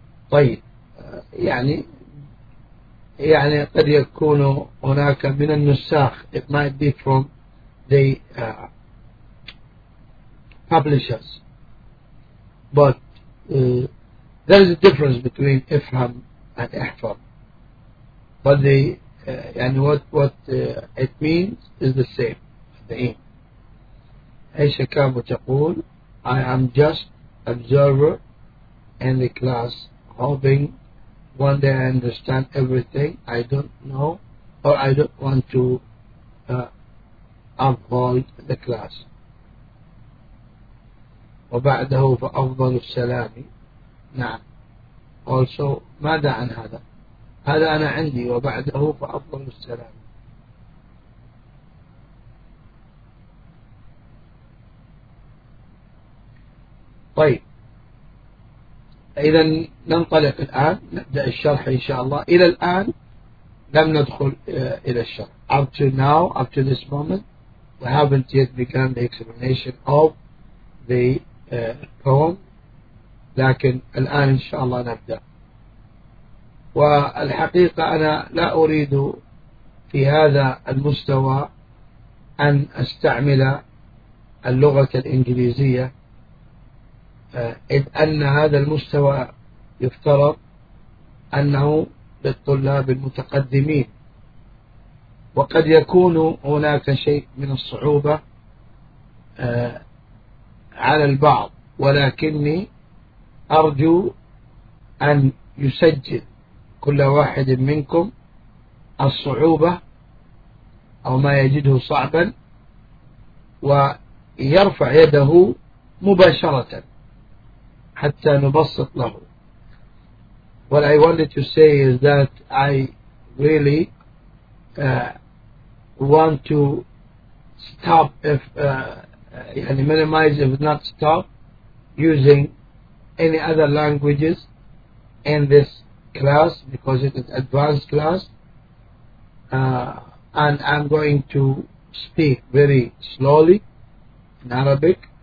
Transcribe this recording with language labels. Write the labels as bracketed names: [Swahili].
[Arabic] طيب يعني قد يكون هناك من النساخ. [English] It might be from the publishers, but there is a difference between افهم and احفظ, but the يعني what it means is the same. The aim. Aisha Kabu تقول I am just observer in the class hoping one day I understand everything. I don't know or I don't want to avoid the class. [Arabic] وبعده فأفضل السلام. نعم. Also ماذا عن هذا؟ هذا أنا عندي وبعده فأفضل السلام. طيب إذا ننطلق الآن نبدأ الشرح إن شاء الله. إلى الآن لم ندخل إلى الشرح. [English] Up to now, up to this moment, we haven't yet begun the explanation of the poem. [Arabic] لكن الآن إن شاء الله نبدأ. والحقيقة أنا لا أريد في هذا المستوى أن أستعمل اللغة الإنجليزية, إذ أن هذا المستوى يفترض أنه للطلاب المتقدمين, وقد يكون هناك شيء من الصعوبة على البعض, ولكني أرجو أن يسجل كل واحد منكم الصعوبة أو ما يجده صعبا ويرفع يده مباشرة حتى نبسط له. [English] What I wanted to say is that I really want to stop if يعني minimize if not stop using any other languages in this class because it is advanced class, and I'm going to speak very slowly in Arabic.